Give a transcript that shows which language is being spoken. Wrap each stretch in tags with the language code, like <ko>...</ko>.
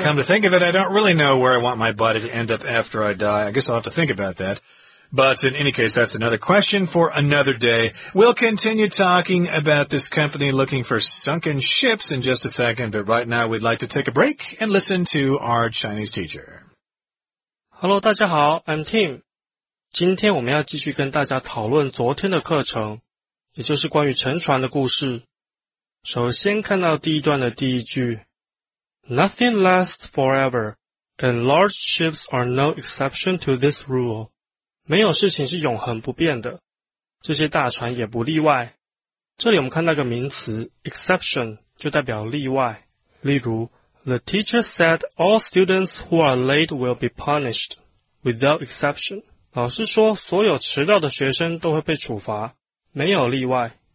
<en>Come to think of it, I don't really know where I want my body to end up after I die. I guess I'll have to think about that. But in any case, that's another question for another day. We'll continue talking about this company looking for sunken ships in just a second. But right now, we'd like to take a break and listen to our Chinese teacher. Hello,</en> <zh>大家好,</zh> <en>I'm Tim.</en> <zh>今天我们要继续跟大家讨论昨天的课程, 也就是关于沉船的故事。首先看到第一段的第一句,</zh> <en>Nothing lasts forever, and large ships are no exception to this rule.</en> <zh>没有事情是永恒不变的, 这些大船也不例外。这里我们看到一个名词, exception, 就代表例外。例如,</zh> <en>The teacher said all students who are late will be punished, without exception.</en> <zh>老师说所有迟到的学生都会被处罚, 没有例外。</zh>